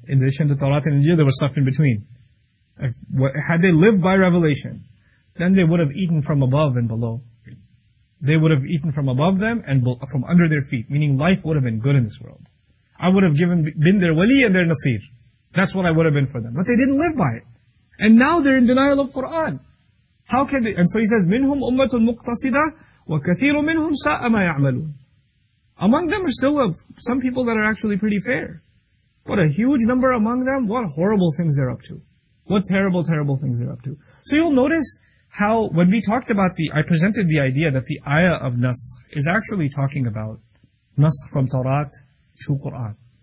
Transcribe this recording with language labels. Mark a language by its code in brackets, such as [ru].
[en] In addition to Torah and Injil, there was stuff in between. Had they lived by revelation, then they would have eaten from above and below. They would have eaten from above them and from under their feet, meaning life would have been good in this world. I would have been their wali and their nasir. That's what I would have been for them. But they didn't live by it. And now they're in denial of Quran. How can they? And so he says, [ar] مِنْهُمْ أُمَّةٌ مُقْتَصِدَةٌ وَكَثِيرٌ مِّنْهُمْ سَاءَ مَا يَعْمَلُونَ. [en] Among them are still some people that are actually pretty fair. What a huge number among them. What horrible things they're up to. What terrible, terrible things they're up to. So you'll notice how when we talked about I presented the idea that the ayah of Nas is actually talking about Nas from Torah to Quran.